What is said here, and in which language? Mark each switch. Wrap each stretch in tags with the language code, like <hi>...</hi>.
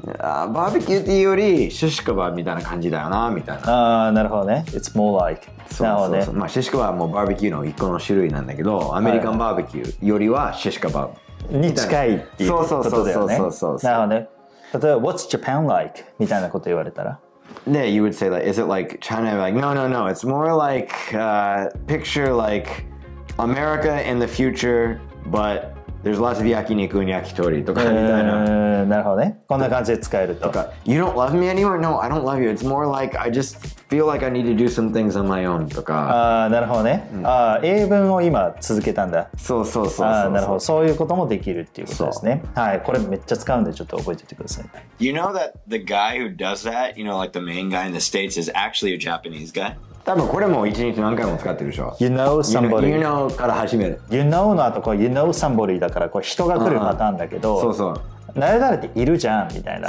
<ja>バーベキューっていうよりシシカバーみたいな感じだよなみたいな。ああなるほどね。</ja> <en>It's more like</en> <ja>なるほどね。まあシシカバーもバーベキューの一個の種類なんだけど、アメリカンバーベキューよりはシシカバーに近いっていうことだよね。そうなるほどね。例えば</ja> <en>What's Japan like</en> <ja>みたいなこと言われたら、で、</ja> <en>you would say like, is it like China? Like, no. It's more like picture like America in the future, but There's lots of yakiniku and yakitori.</en> <ja>とかみたいな。なるほどね。こんな感じで使えると。とか、</ja> <en>You don't love me anymore? No, I don't love you. It's more like I just feel like I need to do some things on my own.</en> <ja>とか。ああ、なるほどね。ああ、英文を今続けたんだ。そうそうそう。ああ、なるほど。そういうこともできるっていうことですね。はい。これめっちゃ使うんでちょっと覚えておいてください。</ja> <en>You know that the guy who does that, you know, like the main guy in the States is actually a Japanese guy?</en> <ja>多分これも一日何回も使ってるでしょ。</ja> <en>You know somebody.</en> <ja>You know から始める。 You know の後、</ja> <en>You know somebody</en> <ja>だから、人が来るパターンだけど、そうそう。誰々っているじゃんみたいな。</ja>